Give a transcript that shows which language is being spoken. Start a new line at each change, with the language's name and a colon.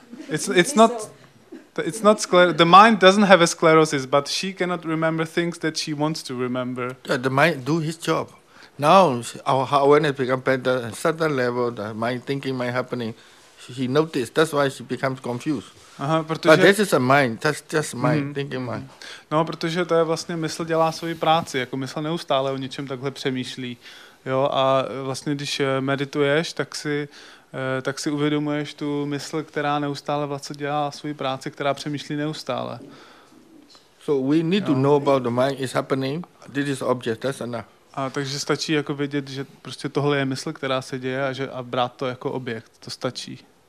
English: It's not sclerosis. The mind doesn't have a sclerosis, but she cannot remember things that she wants to remember. Yeah, the mind do his job. Now our awareness becomes better at a certain level, the mind thinking might happening. She noticed, that's why she becomes confused. Aha, but this is a mind, that's just mind, thinking mind.
Czech: No, protože to je vlastně mysl dělá svoji práci, jako mysl neustále o něčem takhle přemýšlí. Jo, a vlastně když medituješ, tak si uvědomuješ tu mysl, která neustále vlastně dělá svoji práci, která přemýšlí neustále.
English: So we need to know about the mind is happening, this is object, that's enough.
Czech: A takže stačí jako vědět, že prostě tohle je mysl, která se děje a brát to jako objekt, to stačí.